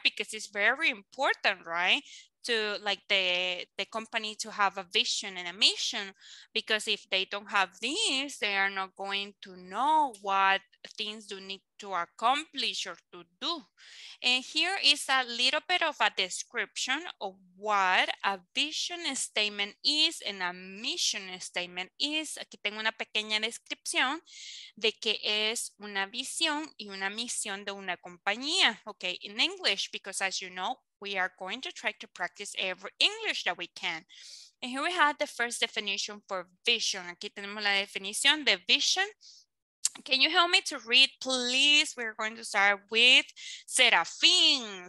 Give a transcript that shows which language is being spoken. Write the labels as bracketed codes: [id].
[en] Because it's very important, right? To like the company to have a vision and a mission, because if they don't have these, they are not going to know what things do need to accomplish or to do. And here is a little bit of a description of what a vision statement is and a mission statement is. [es] Aquí tengo una pequeña descripción de qué es una visión y una misión de una compañía. [en] Okay, in English, because as you know, we are going to try to practice every English that we can. And here we have the first definition for vision. [es] Aquí tenemos la definición de vision. [en] Can you help me to read, please? We're going to start with Serafín.